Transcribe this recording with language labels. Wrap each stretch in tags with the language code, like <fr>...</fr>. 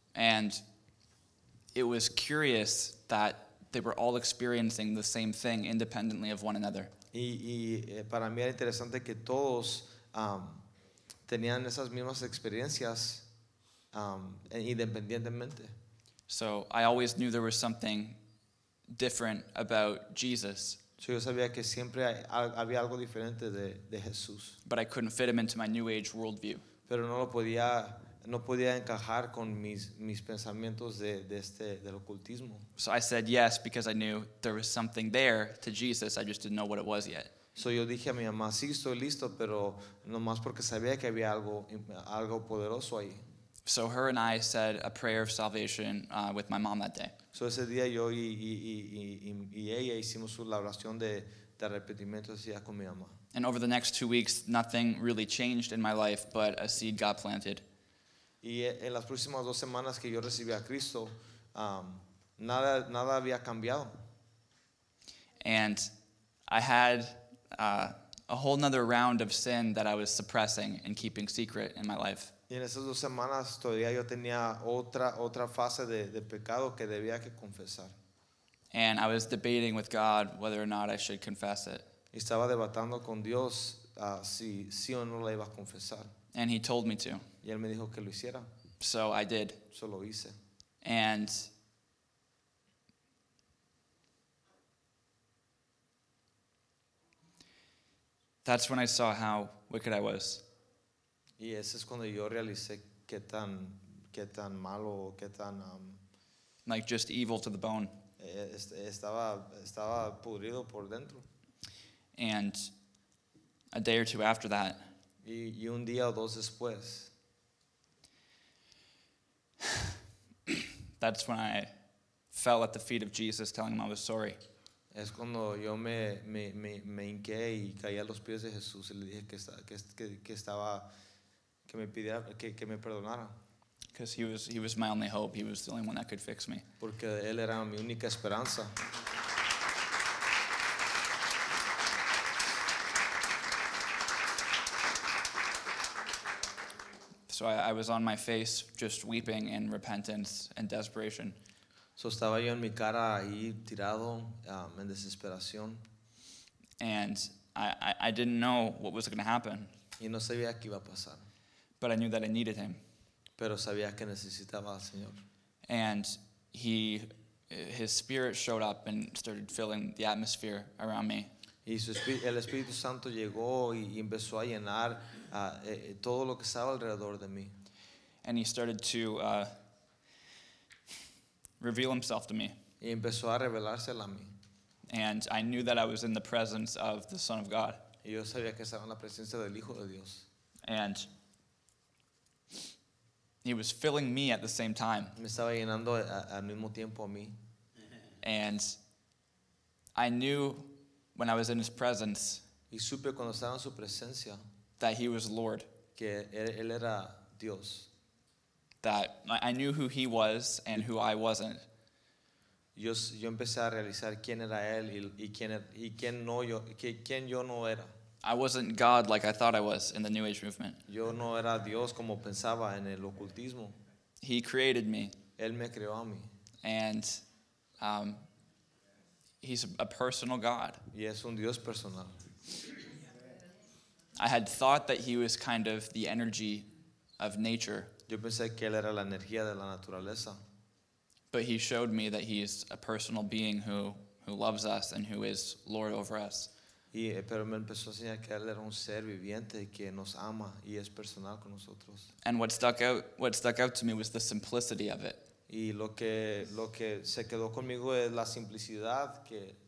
<en>And it was curious that they were all experiencing the same thing independently of one another.</en> <es>Y para mí era interesante que todos tenían esas mismas experiencias independientemente.</es> <en>So I always knew there was something different about Jesus.</en> <es>So yo sabía que siempre había algo diferente de Jesús.</es> <en>But I couldn't fit him into my New Age worldview.</en> <es>Pero no podía encajar con mis pensamientos del ocultismo.</es> <en>So I said yes because I knew there was something there to Jesus. I just didn't know what it was yet.</en> <es>So yo dije a mi mamá, sí, estoy listo, pero nomás porque sabía que había algo poderoso ahí.</es> <en>So her and I said a prayer of salvation with my mom that day.</en> <es>So ese día yo y ella hicimos la oración de arrepentimiento hacia con mi mamá.</es> <en>And over the next 2 weeks, nothing really changed in my life, but a seed got planted.</en> <es>Y en las próximas dos semanas que yo recibí a Cristo, nada había cambiado.</es> <en>And I had a whole nother round of sin that I was suppressing and keeping secret in my life.</en> <es>Y en esas dos semanas todavía yo tenía otra fase de pecado que debía que confesar.</es> <en>And I was debating with God whether or not I should confess it.</en> <es>Y estaba debatiendo con Dios si o no la iba a confesar.</es> <en>And he told me to.</en> <es>Y él me dijo que lo hiciera.</es> <en>So I did.</en> <es>Eso lo hice.</es> <en>And That's when I saw how wicked I was.</en> <es>Y ese es cuando yo realicé qué tan malo, qué tan</es> <en>like just evil to the bone.</en> <es>Estaba pudrido por dentro.</es> <en>And a day or two after that,</en> <es>y un día o dos después,</es> <en>that's when I fell at the feet of Jesus, telling him I was sorry.</en> <es>Es cuando yo me hinqué y caí a los pies de Jesús y le dije que me perdonara.</es> <en>Because he was my only hope. He was the only one that could fix me.</en> <es>Porque él era mi única esperanza.</es> <en>So I was on my face, just weeping in repentance and desperation.</en> <es>So estaba yo en mi cara ahí tirado, en desesperación.</es> <en>And I didn't know what was going to happen.</en> <es>Y no sabía qué iba a pasar.</es> <en>But I knew that I needed him.</en> <es>Pero sabía que necesitaba al Señor.</es> <en>And his spirit showed up and started filling the atmosphere around me.</en> <es>Y el Espíritu Santo llegó y empezó a llenar todo lo que estaba alrededor de mí.</es> <en>And he started to reveal himself to me.</en> <es>Y empezó a revelárselo a mí.</es> <en>And I knew that I was in the presence of the Son of God.</en> <es>Y yo sabía que estaba en la presencia del Hijo de Dios.</es> <en>And he was filling me at the same time.</en> <es>Me estaba llenando al mismo tiempo a mí.</es> <en>And I knew when I was in his presence,</en> <es>y supe cuando estaba en su presencia,</es> <en>that he was Lord.</en> <es>Que él era Dios.</es> <en>That I knew who he was and who I wasn't.</en> <es>Yo empecé a realizar quién era él y quién yo no era.</es> <en>I wasn't God like I thought I was in the New Age movement.</en> <es>Yo no era Dios como pensaba en el ocultismo.</es> <en>He created me.</en> <es>Él me creó a mí.</es> <en>And he's a personal God.</en> <es>Y es un Dios personal.</es> <en>I had thought that he was kind of the energy of nature.</en> <es>Yo pensé que él era la energía de la naturaleza.</es> <en>But he showed me that he is a personal being who loves us and who is Lord over us.</en> <es>Pero me empezó a enseñar que él era un ser viviente que nos ama y es personal con nosotros.</es> <en>And what stuck out to me was the simplicity of it.</en> <es>Y lo que se quedó conmigo es la simplicidad que</es>